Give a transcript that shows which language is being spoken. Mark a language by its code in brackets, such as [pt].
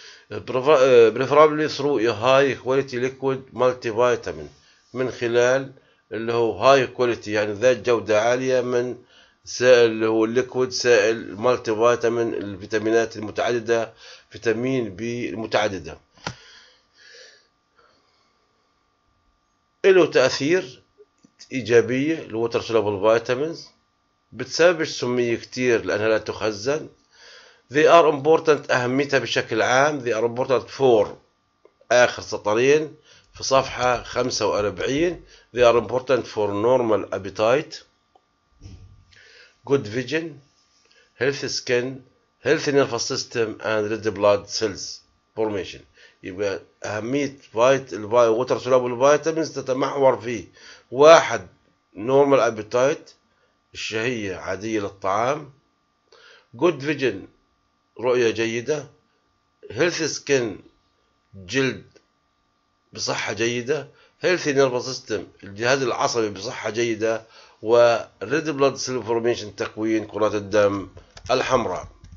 [en] preferably through high quality liquid multivitamin [ar] من خلال اللي هو هاي كواليتي يعني ذات جوده عاليه من سائل اللي هو الليكويد سائل مالتي فيتامين الفيتامينات المتعدده فيتامين بي المتعدده. له تأثير إيجابية الووتر سولابل فيتامينز، بتسببش سمية كتير لأنها لا تخزن. [en] they are important، [ar] أهميتها بشكل عام [en] they are important for، [ar] آخر سطرين في صفحة 45 [en] they are important for normal appetite، good vision، healthy skin، healthy nervous system and red blood cells formation. [ar] يبقى أهمية water soluble vitamins تتمحور في واحد [en] normal appetite، [ar] الشهية عادية للطعام، [en] good vision، [ar] رؤية جيدة، [en] healthy skin، [ar] جلد بصحة جيدة، [en] healthy nervous system، [ar] الجهاز العصبي بصحة جيدة، و [en] red blood cell formation، [ar] تكوين كرات الدم الحمراء.